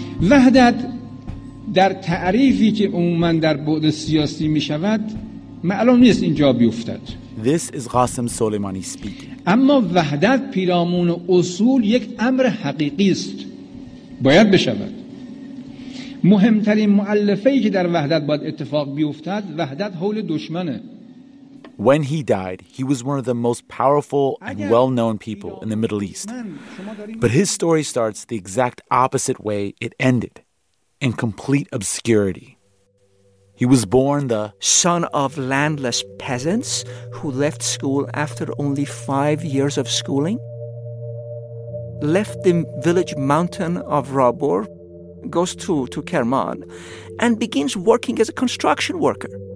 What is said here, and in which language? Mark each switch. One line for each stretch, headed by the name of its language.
Persian: وحدت در تعریفی که عموماً در بعد سیاسی می شود معلوم نیست اینجا بیفتد.
English: This is Qasem Soleimani speaking.
Persian: اما وحدت پیرامون اصول یک امر حقیقی است. باید بشود. مهمترین مؤلفه‌ای که در وحدت باید اتفاق بیفتد وحدت حول دشمنه.
English: When he died, he was one of the most powerful and well-known people in the Middle East. But his story starts the exact opposite way it ended, in complete obscurity. He was born the son of landless peasants who left school after only 5 years of schooling, left the village mountain of Rabur, goes to Kerman, and begins working as a construction worker.